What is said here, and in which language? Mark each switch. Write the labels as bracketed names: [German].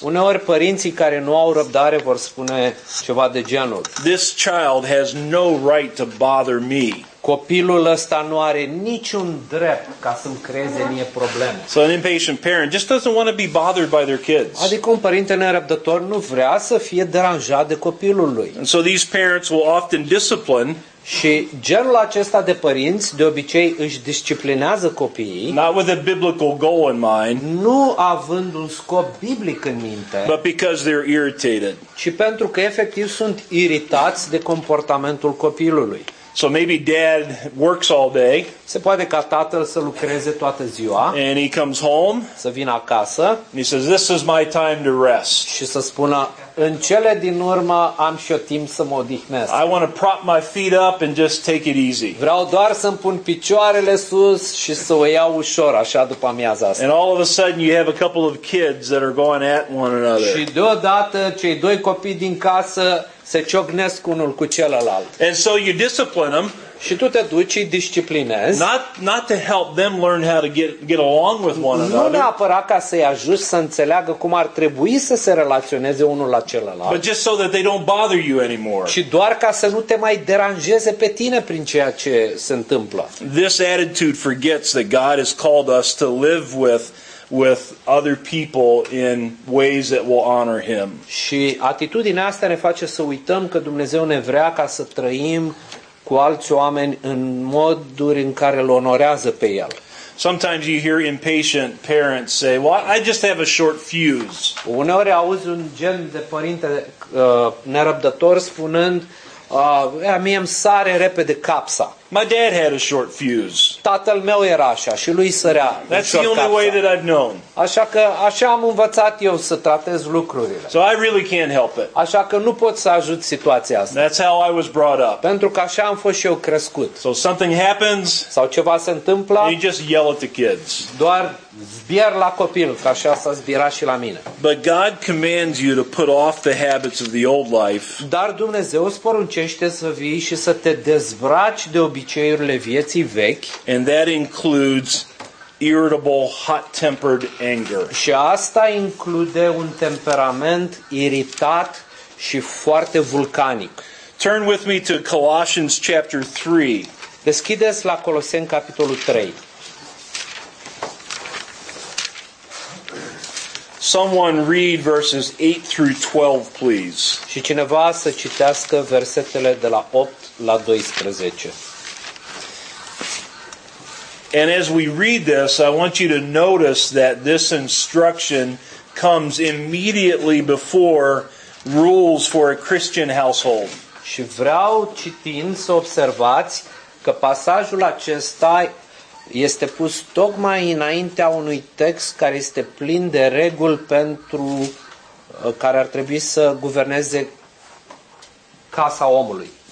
[Romanian] Uneori părinții care nu au răbdare vor spune ceva de genul. [English] This child has no right to bother me. [Romanian] Copilul ăsta nu are niciun drept ca să-mi creeze mie probleme. [English] So an impatient parent just doesn't want to be bothered by their kids. [Romanian] Adică un părinte nerăbdător nu vrea să fie deranjat de copilul lui. [English] And so these parents will often discipline. [Romanian] Și genul acesta de părinți de obicei își disciplinează copiii. [English] Not with a biblical goal in mind. [Romanian] Nu având un scop biblic în minte. [English] But because they're irritated. [Romanian] Ci pentru că efectiv sunt iritați de comportamentul copilului. [English] So maybe dad works all day. [Romanian] Se poate ca tatăl să lucreze toată ziua. [English] And he comes home. [Romanian] Să vină acasă. [English] And he says, "This is my time to rest." [Romanian] Și să spună, în cele din urmă am și eu timp să mă odihnesc. [English] I want to prop my feet up and just take it easy. [Romanian] Vreau doar să-mi pun picioarele sus și să o iau ușor așa după amiaza asta. [English] And all of a sudden you have a couple of kids that are going at one another. [Romanian] Și deodată cei doi copii din casă se ciocnesc unul cu celălalt. [English] And so you discipline them. [Romanian] Și tu te duci și disciplinezi. [English] Not to help them learn how to get along with one another. [Romanian] Nu neapărat ca să-i ajuți să înțeleagă cum ar trebui să se relaționeze unul la celălalt. [English] But just so that they don't bother you anymore. [Romanian] Și doar ca să nu te mai deranjeze pe tine prin ceea ce se întâmplă. [English] This attitude forgets that God has called us to live with other people in ways that will honor him. [Romanian] Și atitudinea asta ne face să uităm că Dumnezeu ne vrea ca să trăim cu alți oameni în moduri în care îl onorează pe el. [English] Sometimes you hear impatient parents say, "Well, I just have a short fuse." [Romanian] Uneori auzi un gen de părinte nerăbdător spunând, mie îmi sare repede capsa. [English] My dad had a short fuse. [Romanian] Tatăl meu era așa și lui sărea. [English] That's the only way that I've known. [Romanian] Așa că așa am învățat eu să tratez lucrurile. [English] So I really can't help it. [Romanian] Așa că nu pot să ajut situația asta. [English] That's how I was brought up. [Romanian] Pentru că așa am fost și eu crescut. [English] So something happens. [Romanian] Sau ceva se întâmplă. [English] You just yell at the kids. [Romanian] Doar zbier la copil, că așa s-a zbirat și la mine. [English] But God commands you to put off the habits of the old life. [Romanian] Dar Dumnezeu îți poruncește să vii și să te dezbraci de obicei. [English] And that includes irritable, hot-tempered anger. [Romanian] Și asta include un temperament iritat și foarte vulcanic. [English] Turn with me to Colossians chapter 3. [Romanian] Deschideți la Coloseni capitolul 3. [English] Someone read verses 8 through 12, please. [Romanian] Și cineva să citească versetele de la 8 la 12. [English] And as we read this, I want you to notice that this instruction comes immediately before rules for a Christian household. [Romanian] Și vreau citind să observați că pasajul acesta este pus tocmai înaintea unui text care este plin de reguli pentru care ar trebui să guverneze casa omului.